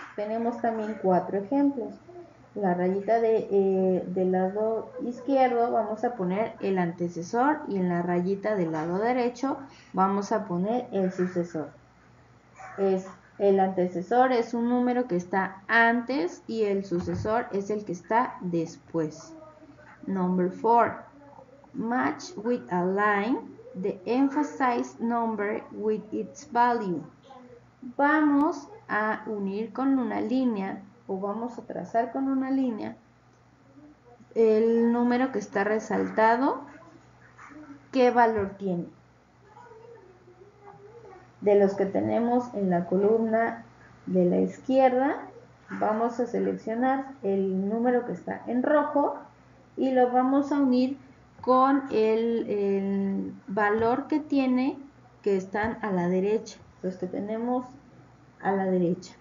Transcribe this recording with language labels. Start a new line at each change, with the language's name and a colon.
Spanish: Tenemos también cuatro ejemplos. La rayita del lado izquierdo vamos a poner el antecesor y en la rayita del lado derecho vamos a poner el sucesor. El antecesor es un número que está antes y el sucesor es el que está después.
English: Number 4. Match with a line the emphasized number with its value.
Spanish: Vamos a unir con una línea o vamos a trazar con una línea el número que está resaltado, qué valor tiene. De los que tenemos en la columna de la izquierda, vamos a seleccionar el número que está en rojo y lo vamos a unir con el valor que tiene que están a la derecha, los que tenemos a la derecha.